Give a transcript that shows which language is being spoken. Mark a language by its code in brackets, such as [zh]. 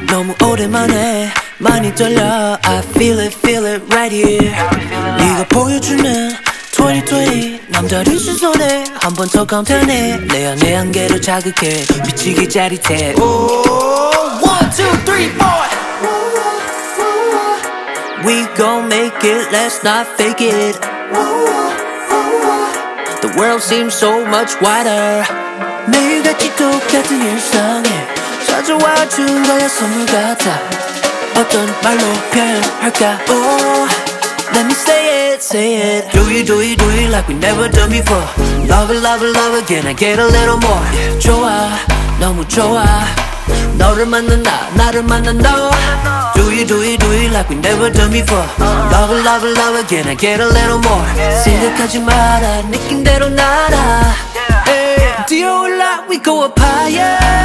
[ko] 너무 오랜만에 많이 떨려. [en] I feel it right here. [ko] 네가 보여주는 2020 남다른 시선에 한 번 더 감탄해. 내 안의 한계를 자극해 미치기 짜릿해. [en] Ooh, one, two, three, four. We gon' make it, let's not fake it. The world seems so much wider. [ko] 매일같이 똑같은 일상에 찾아와 준 거야 선물 같아. 어떤 말로 표현할까. [en] Oh, let me say it, say it. Do it, do it, do it like we never done before. Love it, love it, love again, I get a little more. [ko] 좋아, 너무 좋아. 너를 만난 나, 나를 만난 너. Do it, do it like we never done before. Love it, love it, love again, I get a little more. 생각하지 마라, 느낀대로 날아. 뛰어 올라, [en] we go up higher.